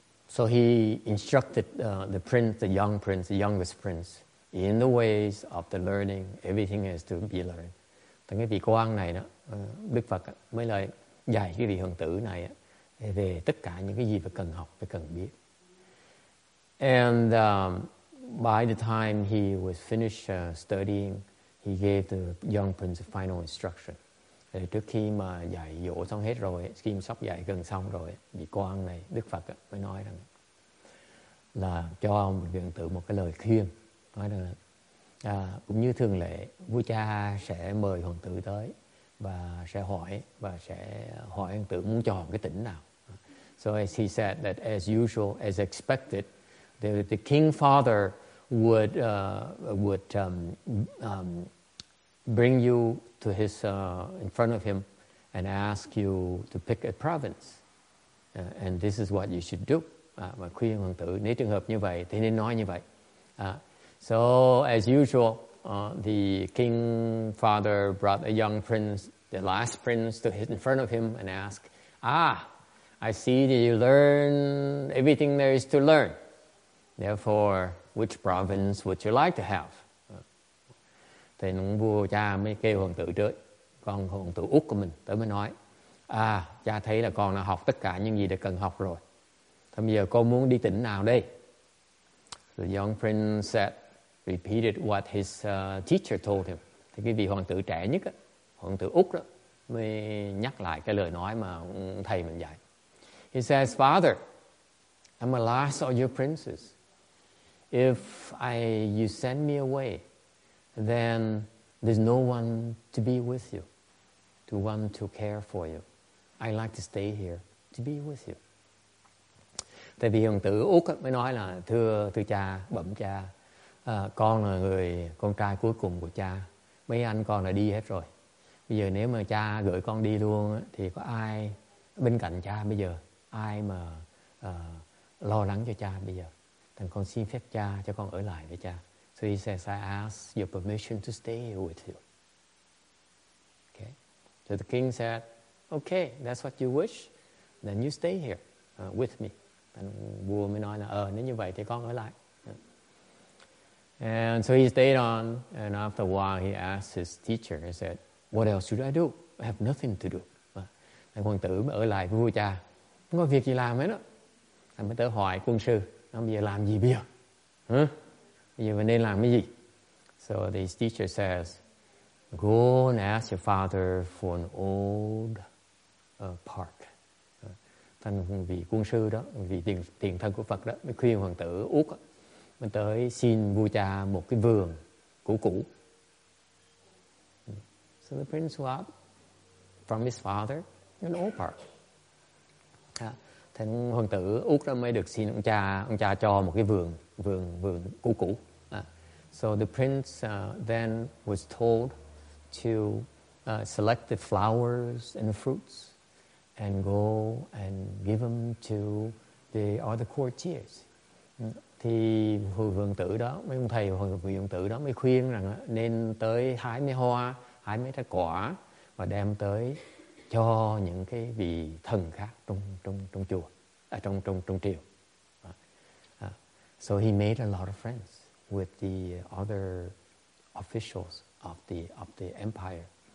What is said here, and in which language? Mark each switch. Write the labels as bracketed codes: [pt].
[en] So he instructed the youngest prince, in the ways of the learning. Everything has to be learned. [vi] Thành cái vị quan này đó Đức Phật mới lại dạy cái vị hoàng tử này về tất cả những cái gì mà cần học, phải cần biết. [en] And by the time he was finished studying, he gave the young prince a final instruction. [vi] Trước khi mà dạy dỗ xong hết rồi, khi mà sắp dạy gần xong rồi, vị quan này, Đức Phật mới nói rằng là cho ông vị hoàng tử một cái lời khuyên. Nói rằng là, cũng như thường lệ, vua cha sẽ mời hoàng tử tới và sẽ hỏi, hoàng tử muốn chọn cái tỉnh nào. [en] So as he said that as usual, as expected, the king father would bring you to his in front of him and ask you to pick a province, and this is what you should do. [vi] Và khuyên hoàng tử nếu trường hợp như vậy thì nên nói như vậy. [en] So as usual, the king father brought a young prince, the last prince, to his in front of him and asked, "Ah, I see that you learn everything there is to learn. Therefore, which province would you like to have?" [vi] Thì ông vua cha mới kêu hoàng tử tới, con hoàng tử út của mình tới mới nói, "À, cha thấy là con đã học tất cả những gì đã cần học rồi. Thế bây giờ con muốn đi tỉnh nào đây?" [en] The young prince said, repeated what his teacher told him. [vi] Thì cái vị hoàng tử trẻ nhất, hoàng tử út đó, mới nhắc lại cái lời nói mà thầy mình dạy. [en] He says, "Father, I'm the last of your princes. If you send me away, then there's no one to be with you, to one to care for you. I'd like to stay here to be with you." [vi] Tại vì hoàng tử Úc mới nói là, thưa cha, bẩm cha, con là người con trai cuối cùng của cha, mấy anh con đã đi hết rồi. Bây giờ nếu mà cha gửi con đi luôn thì có ai bên cạnh cha bây giờ, ai mà lo lắng cho cha bây giờ? Thành con xin phép cha cho con ở lại với cha. [en] So he says, "I ask your permission to stay here with you." Okay. So the king said, "Okay, that's what you wish. Then you stay here with me." [vi] And vua mới nói là, nếu như vậy thì con ở lại. [en] And so he stayed on. And after a while, he asked his teacher, he said, "What else should I do? I have nothing to do." [vi] Thành hoàng tử mới ở lại với vua cha. Không có việc gì làm hết đó. Thành mới tới hỏi quân sư, "Bây giờ làm gì bây giờ? Bây giờ mình nên làm cái gì?" [en] So the teacher says, "Go and ask your father for an old park." [vi] Thành vị quân sư đó, vị tiền thân của Phật đó, mới khuyên hoàng tử Úc, mới tới xin vua cha một cái vườn cũ. [en] So the prince went from his father an old park. [vi] Thì hoàng tử Úc đó mới được xin ông cha cho một cái vườn cũ. [en] So the prince then was told to select the flowers and the fruits and go and give them to the other courtiers. [vi] Thì hoàng tử đó, mấy ông thầy hoàng tử đó mới khuyên rằng nên tới hái mấy hoa, hái mấy trái quả và đem tới cho những cái vị thần khác trong chùa, trong triều. [en] So he made a lot of friends with the other officials of the empire.